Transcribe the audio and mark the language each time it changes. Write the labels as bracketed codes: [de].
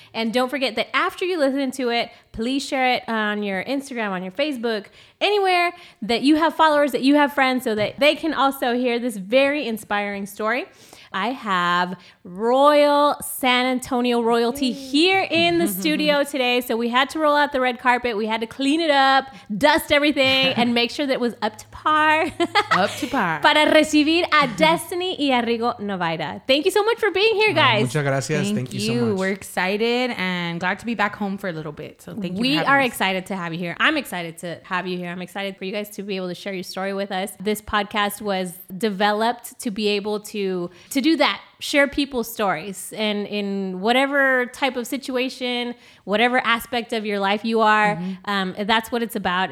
[en] And don't forget that after you listen to it, please share it on your Instagram, on your Facebook, anywhere that you have followers, that you have friends, so that they can also hear this very inspiring story. I have Royal San Antonio royalty here in the studio today. So we had to roll out the red carpet. We had to clean it up, dust everything, and make sure that it was up to par. Up to par. [es] Para recibir a Destiny y a Rigo Novaida. [en] Thank you so much for being here, guys. [es] Muchas gracias. [en] Thank you so much. We're excited and glad to be back home for a little bit. So thank you. We are excited to have you here. I'm excited to have you here. I'm excited for you guys to be able to share your story with us. This podcast was developed to be able to do that, share people's stories, and in whatever type of situation, whatever aspect of your life you are, that's what it's about.